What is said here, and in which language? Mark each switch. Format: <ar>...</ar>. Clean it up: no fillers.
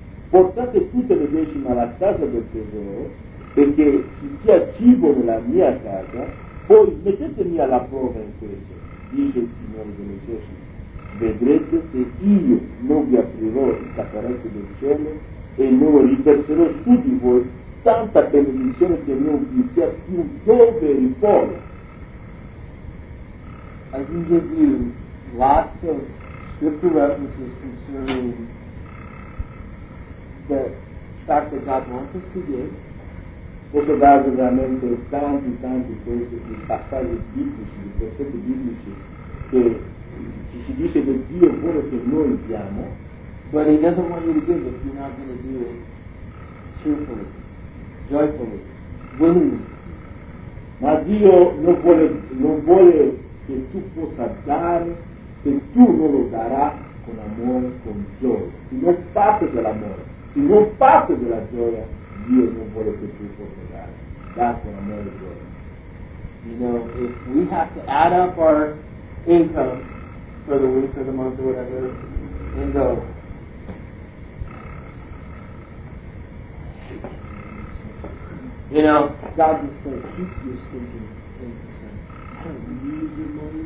<it>Portate tutte le decime alla casa del tesoro, perché ci sia cibo nella mia casa, poi mettetemi alla prova in questo, dice il Signore delle Cose. Vedrete se io non vi aprirò il caparetto del cielo e non riverserò su di voi tanta benedizione che non vi sia più dove riporre.</it> <en>I can give you lots of scripture references concerning the fact that God wants us to give.</en> <it>Posso darvi veramente tanti, tanti questi passaggi biblici, di versetti biblici, che ci si dice che Dio vuole che noi diamo.</it> <en>But he doesn't want you to give if you're not going to do it cheerfully, joyfully, willingly.</en> <it>Ma Dio non vuole che tu possa dare se tu non lo darai con amore, con gioia. Se non parte dell'amore, se non parte della gioia, Dio non vuole che tu possa dare.</it> <en>That's what I'm not doing. You know, if we have to add up our income for the week or the month or whatever, and go, You know? God would say, keep your stinking things. I don't need your money.</en>